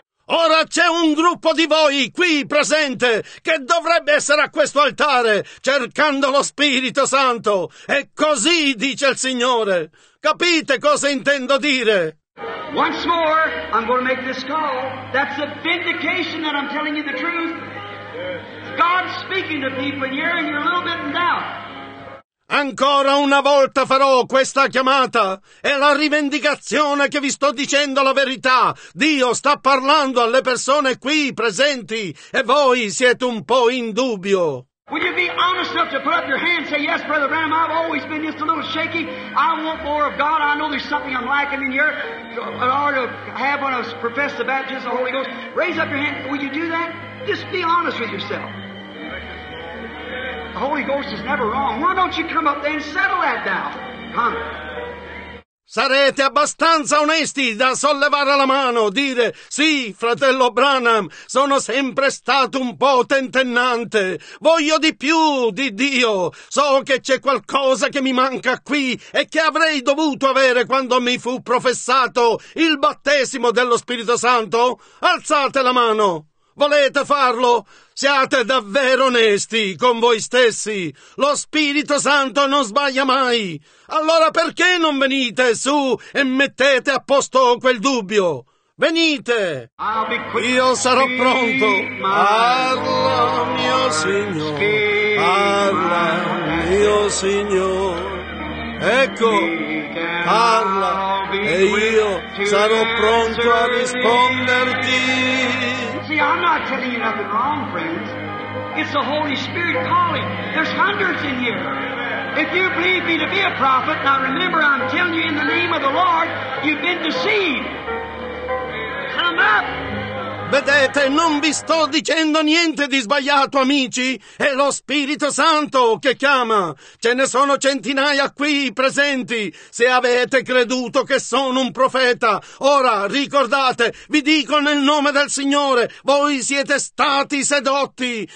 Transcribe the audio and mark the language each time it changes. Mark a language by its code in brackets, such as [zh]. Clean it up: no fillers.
[it] Ora c'è un gruppo di voi qui presente che dovrebbe essere a questo altare cercando lo Spirito Santo. E così dice il Signore. Capite cosa intendo dire? [en] Once more, I'm going to make this call. That's a vindication that I'm telling you the truth. God's speaking to people and you're a little bit in doubt. [it] Ancora una volta farò questa chiamata. È la rivendicazione che vi sto dicendo la verità. Dio sta parlando alle persone qui presenti e voi siete un po' in dubbio. [en] Will you be honest enough to put up your hand and say, yes, Brother Branham, I've always been just a little shaky. I want more of God. I know there's something I'm lacking in here. An honor to have one of us profess the baptism of the Holy Ghost. Raise up your hand. Will you do that? Just be honest with yourself. The Holy Ghost is never wrong. Why don't you come up there and settle that down? [it] Sarete abbastanza onesti da sollevare la mano, dire sì, fratello Branham, sono sempre stato un po' tentennante. Voglio di più di Dio. So che c'è qualcosa che mi manca qui e che avrei dovuto avere quando mi fu professato il battesimo dello Spirito Santo. Alzate la mano. Volete farlo? Siate davvero onesti con voi stessi. Lo Spirito Santo non sbaglia mai. Allora perché non venite su e mettete a posto quel dubbio? Venite! Io sarò pronto. Parla, mio Signore. Parla, mio Signore. Ecco, parla e io sarò pronto a risponderti. [en] I'm not telling you nothing wrong, friends. It's the Holy Spirit calling. There's hundreds in here. If you believe me to be a prophet, now remember, I'm telling you in the name of the Lord, you've been deceived. Come up! [it] Vedete, non vi sto dicendo niente di sbagliato, amici. È lo Spirito Santo che chiama. Ce ne sono centinaia qui presenti. Se avete creduto che sono un profeta, ora ricordate, vi dico nel nome del Signore, voi siete stati sedotti.